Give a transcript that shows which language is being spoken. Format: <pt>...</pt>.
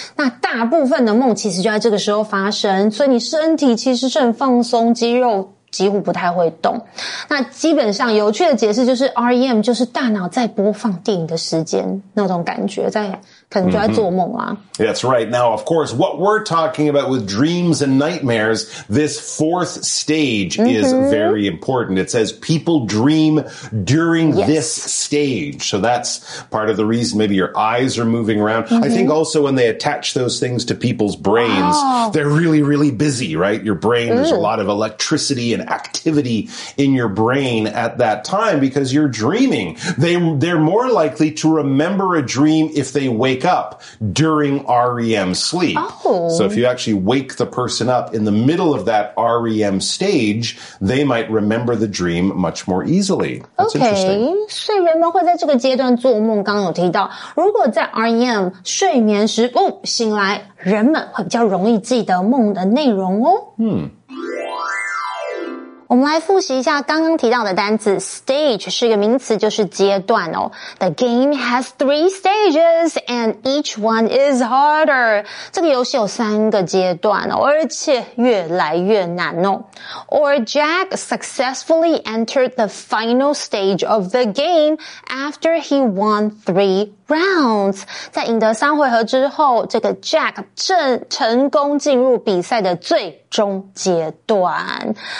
<zh>那大部分的梦其实就在这个时候发生，所以你身体其实是很放松，肌肉几乎不太会动。那基本上有趣的解释就是 REM 就是大脑在播放电影的时间那种感觉，在可能就在做梦啊、mm-hmm.</zh> <en>That's right. Now of course what we're talking about with dreams and nightmares, this fourth stage、mm-hmm. is very important. It says people dream during、yes. this stage, so that's part of the reason maybe your eyes are moving around、mm-hmm. I think also when they attach those things to people's brains、oh. they're really really busy, right? Your brain、mm. there's a lot of electricity and activity in your brain at that time because you're dreaming. They're more likely to remember a dream if they wake up during REM sleep.、 Oh. So if you actually wake the person up in the middle of that REM stage, they might remember the dream much more easily. That's interesting.</en> <zh>所以人们会在这个阶段做梦，刚刚有提到，如果在 REM 睡眠时，哦，醒来，人们会比较容易记得梦的内容哦。我们来复习一下刚刚提到的单词 stage 是一个名词，就是阶段哦。</zh> <en>The game has three stages and each one is harder.</en> <zh>这个游戏有三个阶段哦，而且越来越难哦。</zh> <en>Or Jack successfully entered the final stage of the game after he won three rounds.</en> <zh>在赢得三回合之后，这个 Jack 成功进入比赛的最终阶段。</zh>